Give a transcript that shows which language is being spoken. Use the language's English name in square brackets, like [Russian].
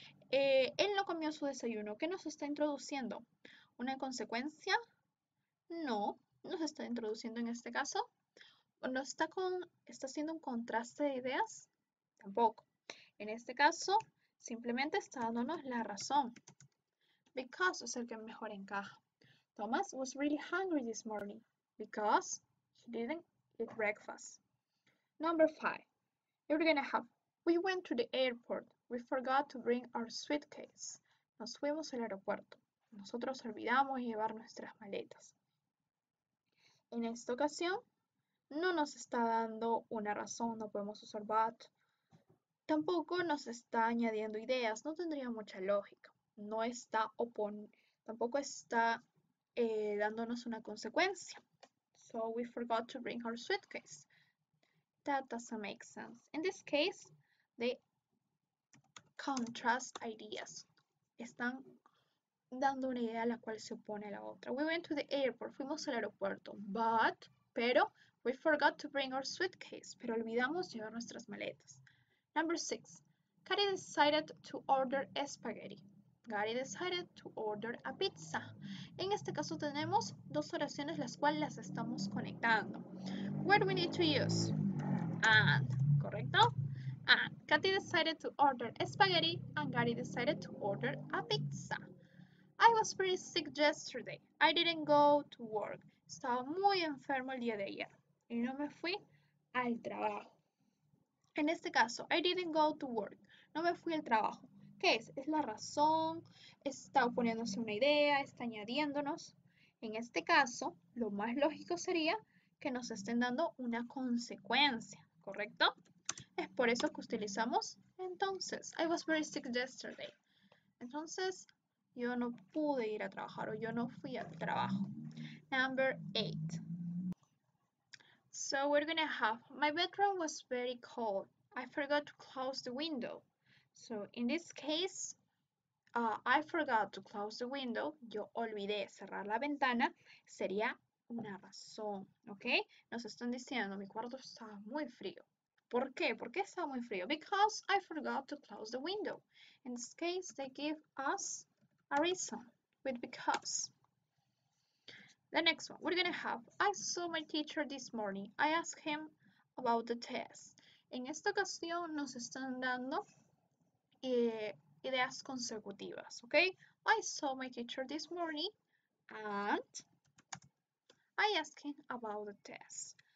[Spanish] Él no comió su desayuno. ¿Qué nos está introduciendo? ¿Una consecuencia? No. Nos está introduciendo en este caso. ¿No está con, está haciendo un contraste de ideas? Tampoco. En este caso, simplemente está dándonos la razón. Because es el que mejor encaja. [English] Thomas was really hungry this morning because he didn't eat breakfast. Number five. You're gonna have, we went to the airport. We forgot to bring our suitcase. [Spanish] Nos fuimos al aeropuerto. Nosotros olvidamos llevar nuestras maletas. En esta ocasión, no nos está dando una razón. No podemos usar but. Tampoco nos está añadiendo ideas. No tendría mucha lógica. No está tampoco está dándonos una consecuencia. [English] So we forgot to bring our suitcase. That doesn't make sense. In this case, they contrast ideas. [Spanish] Están dando una idea a la cual se opone a la otra. [English] We went to the airport. [Spanish] Fuimos al aeropuerto. [English] But, pero, we forgot to bring our suitcase. [Spanish] Pero olvidamos llevar nuestras maletas. [English] Number six. Gary decided to order spaghetti. Gary decided to order a pizza. [Spanish] En este caso tenemos dos oraciones las cuales las estamos conectando. [English] What do we need to use? And, ¿correcto? And, Katy decided to order spaghetti and Gary decided to order a pizza. I was pretty sick yesterday. I didn't go to work. [Spanish] Estaba muy enfermo el día de ayer y no me fui al trabajo. En este caso, [English] I didn't go to work. [Spanish] No me fui al trabajo. ¿Qué es? Es la razón, está oponiéndose una idea, está añadiéndonos. En este caso, lo más lógico sería que nos estén dando una consecuencia. ¿Correcto? Es por eso que utilizamos entonces. [English] I was very sick yesterday. [Spanish] Entonces, Yo no pude ir a trabajar o yo no fui al trabajo. [English] Number 8. So we're gonna have, my bedroom was very cold. I forgot to close the window. So in this case, I forgot to close the window. [Spanish] Yo olvidé cerrar la ventana. Sería una razón, ¿ok? Nos están diciendo, mi cuarto estaba muy frío. ¿Por qué? ¿Por qué estaba muy frío? [English] Because I forgot to close the window. In this case, they give us a reason with because. The next one, we're gonna have, I saw my teacher this morning. I asked him about the test. [Spanish] En esta ocasión nos están dando ideas consecutivas, ¿ok? [English] I saw my teacher this morning and I asked him about the test.